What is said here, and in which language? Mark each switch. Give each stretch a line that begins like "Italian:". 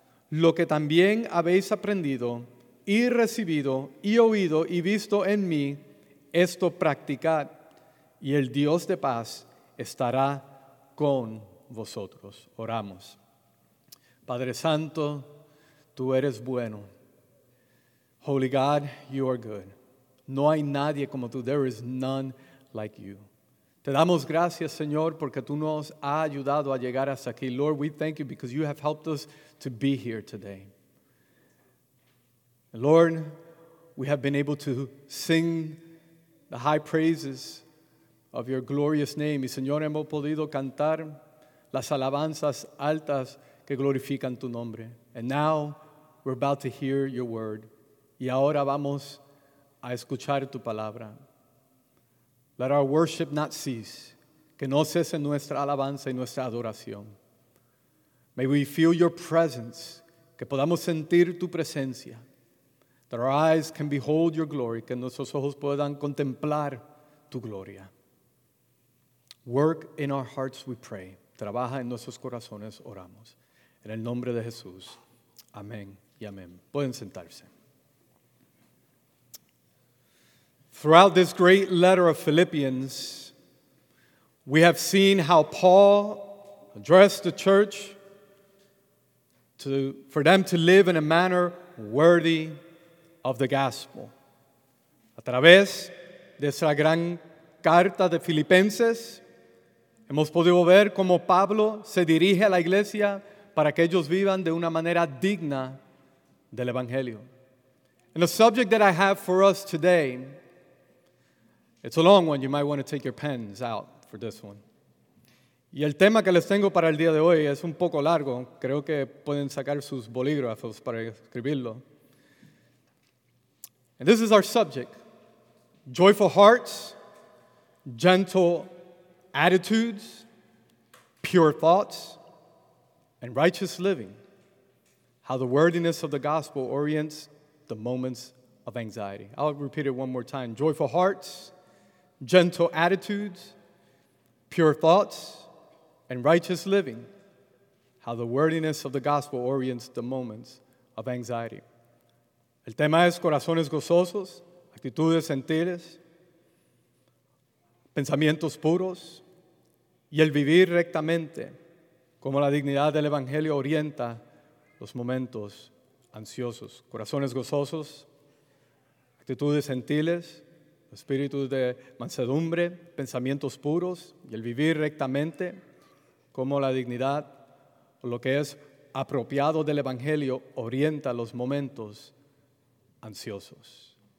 Spanish: Lo que también habéis aprendido y recibido y oído y visto en mí, esto practicad, y el Dios de paz estará con vosotros. Oramos. Padre Santo, tú eres bueno.
English: Holy God, you are good.
Spanish: No hay nadie como tú.
English: There is none like you.
Spanish: Te damos gracias, Señor, porque tú nos has ayudado a llegar hasta aquí.
English: Lord, we thank you because you have helped us to be here today. Lord, we have been able to sing the high praises of your glorious name.
Spanish: Y, Señor, hemos podido cantar las alabanzas altas que glorifican tu nombre.
English: And now we're about to hear your word.
Spanish: Y ahora vamos a escuchar tu palabra.
English: Let our worship not cease.
Spanish: Que no cese nuestra alabanza y nuestra adoración.
English: May we feel your presence.
Spanish: Que podamos sentir tu presencia.
English: That our eyes can behold your glory.
Spanish: Que nuestros ojos puedan contemplar tu gloria.
English: Work in our hearts, we pray.
Spanish: Trabaja en nuestros corazones, oramos. En el nombre de Jesús. Amén y amén. Pueden sentarse.
English: Throughout this great letter of Philippians, we have seen how Paul addressed the church for them to live in a manner worthy of the gospel.
Spanish: A través de esa gran carta de Filipenses, hemos podido ver cómo Pablo se dirige a la iglesia para que ellos vivan de una manera digna del evangelio.
English: And the subject that I have for us today, it's a long one, you might want to take your pens out for this one.
Spanish: Y el tema que les tengo para el día de hoy es un poco largo. Creo que pueden sacar sus bolígrafos para escribirlo.
English: And this is our subject. Joyful hearts, gentle attitudes, pure thoughts, and righteous living. How the worthiness of the gospel orients the moments of anxiety. I'll repeat it one more time. Joyful hearts, gentle attitudes, pure thoughts, and righteous living. How the worthiness of the gospel orients the moments of anxiety.
Spanish: El tema es corazones gozosos, actitudes gentiles, pensamientos puros, y el vivir rectamente, como la dignidad del evangelio orienta los momentos ansiosos. Corazones gozosos, actitudes gentiles, espíritu de mansedumbre, pensamientos puros y el vivir rectamente, como la dignidad o lo que es apropiado del evangelio orienta los momentos ansiosos.